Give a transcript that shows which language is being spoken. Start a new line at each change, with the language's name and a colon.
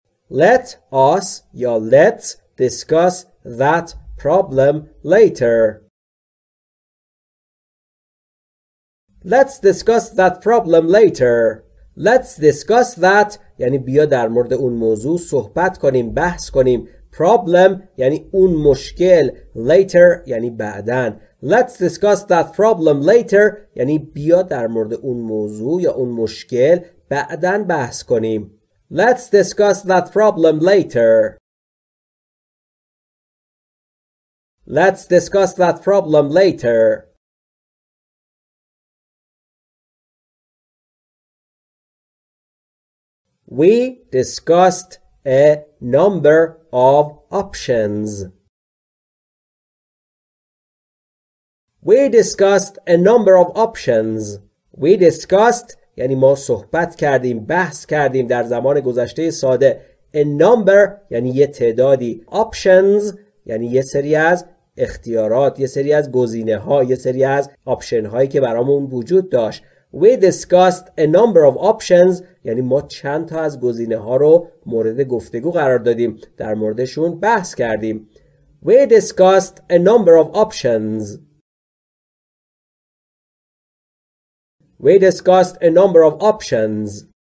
English: Let us
Persian: یا
English: let's discuss that problem later. Let's discuss that problem later. Let's discuss that
Persian: یعنی بیا در مورد اون موضوع صحبت کنیم، بحث کنیم.
English: Problem
Persian: یعنی اون مشکل.
English: Later
Persian: یعنی بعدن.
English: Let's discuss that problem later
Persian: یعنی بیا در مورد اون موضوع یا اون مشکل بعدن بحث کنیم.
English: Let's discuss that problem later. Let's discuss that problem later. We discussed a number of options. We discussed a number of options. We discussed
Persian: یعنی ما صحبت کردیم، بحث کردیم در زمان گذشته ساده.
English: A number
Persian: یعنی یه تعدادی.
English: Options
Persian: یعنی یه سری از اختیارات، یه سری از گزینه ها، یه سری از آپشن هایی که برامون وجود داشت.
English: We discussed a number of options
Persian: یعنی ما چند تا از گزینه ها رو مورد گفتگو قرار دادیم، در موردشون بحث کردیم.
English: We discussed a number of options. We discussed a number of options.